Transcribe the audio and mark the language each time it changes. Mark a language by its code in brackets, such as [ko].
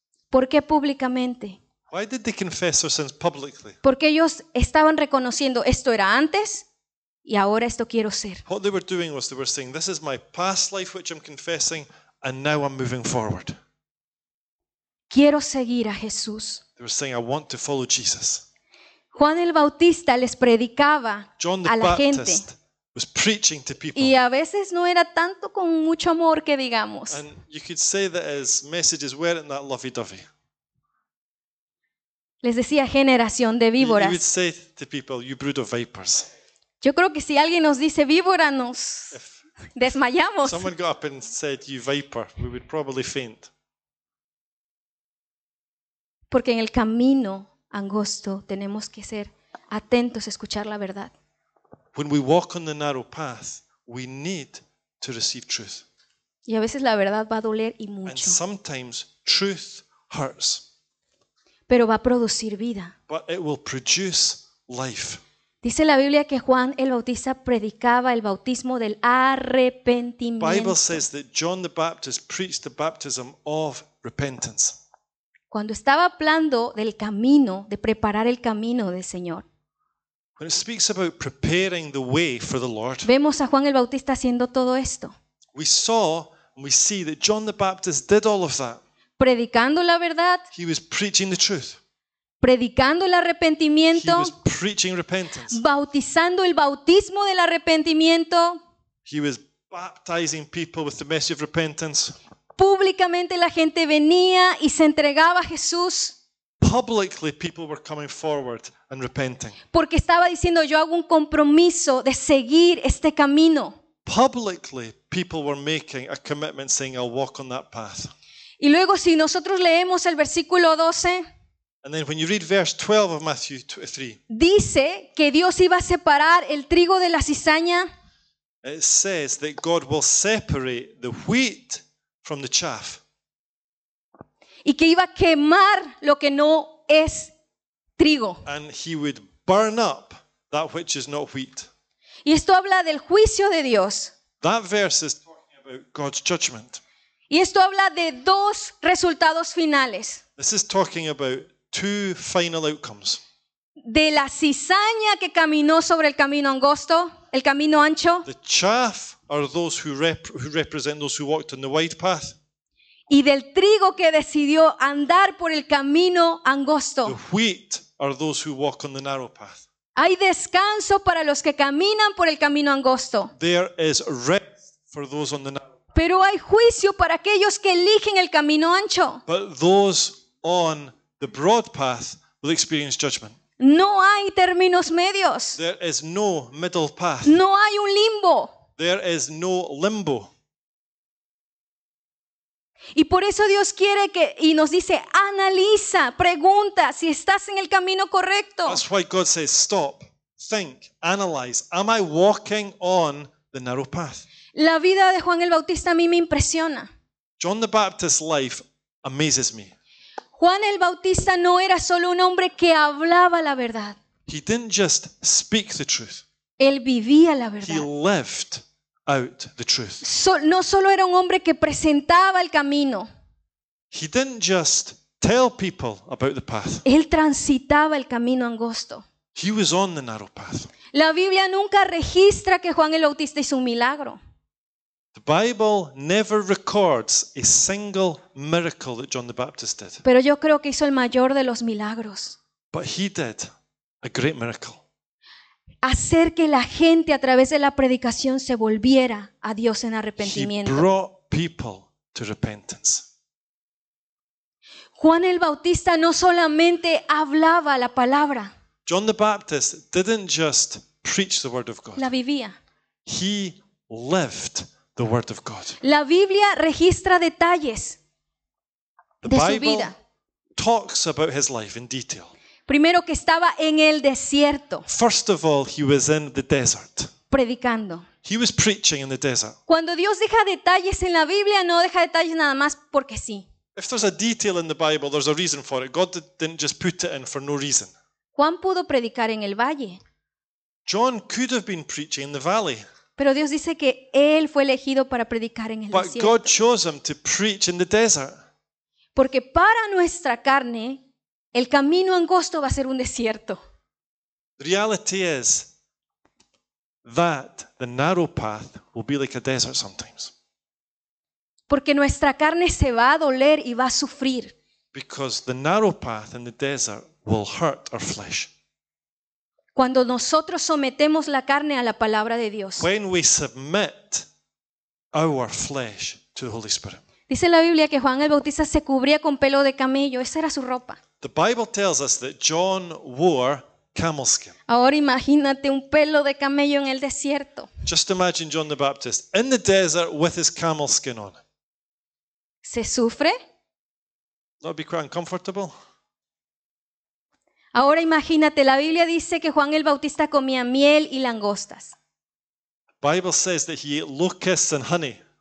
[es] ¿Por qué públicamente? [en] Why did they confess their sins publicly? [es] Porque ellos estaban reconociendo esto era antes y ahora esto quiero ser. [en] What they were doing was they were saying, this is my past life which I'm confessing and now I'm moving forward. [es] Quiero seguir a Jesús. [en] They were saying, I want to follow Jesus. [es] Juan el Bautista les predicaba a la gente. [en] John the Baptist was preaching to people. [es] Y a veces no era tanto con mucho amor que digamos. [en] And you could say that his messages weren't that lovey-dovey. [es] Les decía generación de víboras. [en] You would say to people, you brood of vipers. [es] Yo creo que si alguien nos dice víbora nos desmayamos. [en] If someone got up and said you viper, we would probably faint. [es] Porque en el camino angosto tenemos que ser atentos a escuchar la verdad. [en] When we walk on the narrow path, we need to receive truth. [es] Y a veces la verdad va a doler y mucho. [en] And sometimes truth hurts. [es] Pero va a producir vida. [en] But it will produce life. [es] Dice la Biblia que Juan el Bautista predicaba el bautismo del arrepentimiento. [en] The Bible says that John the Baptist preached the baptism of repentance. [es] Cuando estaba hablando del camino, de preparar el camino del Señor. [en] When it speaks about preparing the way for the Lord. [es] Vemos a Juan el Bautista haciendo todo esto. [en] We saw and we see that John the Baptist did all of that. [es] Predicando la verdad. [en] He was preaching the truth. [es] Predicando el arrepentimiento. [en] He was preaching repentance. [es] Bautizando el bautismo del arrepentimiento. [en] He was baptizing people with the message of repentance. [es] Públicamente la gente venía y se entregaba a Jesús. [en] Publicly, people were coming forward and repenting. [es] Porque estaba diciendo yo hago un compromiso de seguir este camino. [en] Publicly, people were making a commitment saying I'll walk on that path. [es] Y luego si nosotros leemos el versículo 12, [en] and then when you read verse 12 of Matthew 23, [es] dice que Dios iba a separar el trigo de la cizaña. [en] It says that God will separate the wheat from the chaff. [es] Y que iba a quemar lo que no es trigo. [en] And he would burn up that which is not wheat. [es] Y esto habla del juicio de Dios. [en] That verse is talking about God's judgment. [es] Y esto habla de dos resultados finales. [en] This is talking about two final outcomes. [es] De la cizaña que caminó sobre el camino angosto, el camino ancho. [en] The chaff are those who represent those who walked on the wide path. [es] Y del trigo que decidió andar por el camino angosto. [en] The wheat are those who walk on the narrow path. [es] Hay descanso para los que caminan por el camino angosto. [en] There is rest for those on the narrow. [es] Pero hay juicio para aquellos que eligen el camino ancho. [en] But those on the broad path will experience judgment. [es] No hay términos medios. [en] There is no middle path. [es] No hay un limbo. [en] There is no limbo. [es] Y por eso Dios quiere que y nos dice, analiza, pregunta si estás en el camino correcto. [en] That's why God says, stop, think, analyze. Am I walking on the narrow path? [es] La vida de Juan el Bautista a mí me impresiona. [en] John the Baptist's life amazes me. [es] Juan el Bautista no era solo un hombre que hablaba la verdad. [en] He didn't just speak the truth. [es] Él vivía la verdad. [en] He lived out the truth. [es] No solo era un hombre que presentaba el camino. [en] He didn't just tell people about the path. [es] Él transitaba el camino angosto. [en] He was on the narrow path. [es] La Biblia nunca registra que Juan el Bautista hizo un milagro. [en] The Bible never records a single miracle that John the Baptist did. [es] Pero yo creo que hizo el mayor de los milagros. [en] But he did a great miracle. [es] Hacer que la gente a través de la predicación se volviera a Dios en arrepentimiento. [en] He brought people to repentance. [es] Juan el Bautista no solamente hablaba la palabra. [en] John the Baptist didn't just preach the word of God. [es] La vivía. [en] He lived the word of God. [es] La Biblia registra detalles de su vida. [en] Talks about his life in detail. [es] Primero que estaba en el desierto. [en] First of all, he was in the desert. [es] Predicando. [en] He was preaching in the desert. [es] Cuando Dios deja detalles en la Biblia, no deja detalles nada más porque sí. [en] If there's a detail in the Bible, there's a reason for it. God didn't just put it in for no reason. [es] Juan pudo predicar en el valle. [en] John could have been preaching in the valley. [es] Pero Dios dice que él fue elegido para predicar en el [en] But [es] desierto. [en] But God chose him to preach in the desert. [es] Porque para nuestra carne, el camino angosto va a ser un desierto. [en] The reality is that the narrow path will be like a desert sometimes. [es] Porque nuestra carne se va a doler y va a sufrir. [en] Because the narrow path in the desert will hurt our flesh. [es] Cuando nosotros sometemos la carne a la palabra de Dios. [en] When we submit our flesh to the Holy Spirit. [es] Dice la Biblia que Juan el Bautista se cubría con pelo de camello, esa era su ropa. [en] The Bible tells us that John wore camel skin. [es] Ahora imagínate un pelo de camello en el desierto. [en] Just imagine John the Baptist in the desert with his camel skin on. [es] ¿Se sufre? [en] That'd be quite uncomfortable. [es] Ahora imagínate, la Biblia dice que Juan el Bautista comía miel y langostas. [en] The Bible says that he ate locusts and honey.